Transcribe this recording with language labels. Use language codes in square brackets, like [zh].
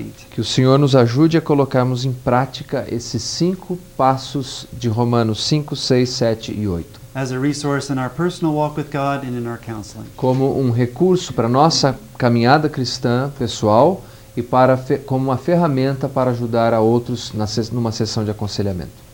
[pt] Que o Senhor nos ajude a colocarmos em prática esses cinco passos de Romanos 5, 6, 7 e 8. [en] As a resource in our personal walk with God and in our counseling. [pt] Como um recurso para nossa caminhada cristã pessoal e para como uma ferramenta para ajudar a outros numa sessão de aconselhamento.